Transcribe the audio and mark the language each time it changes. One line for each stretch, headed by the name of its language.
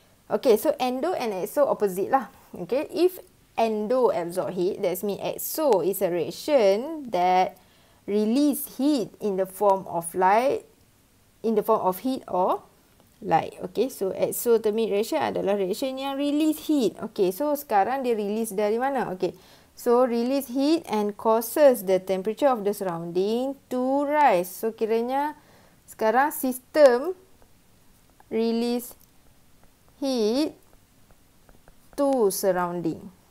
English: Okay, so endo and exo opposite lah. Okay, if endo absorb heat, that means exo is a reaction that release heat in the form of light, in the form of heat or light. Okay, so exothermic reaction
Malay: adalah
English: reaction
Malay: yang
English: release heat. Okay, so
Malay: sekarang dia release dari mana?
English: Okay, so release heat and causes the temperature of the surrounding to rise. So
Malay: kiranya sekarang
English: system release heat to surrounding.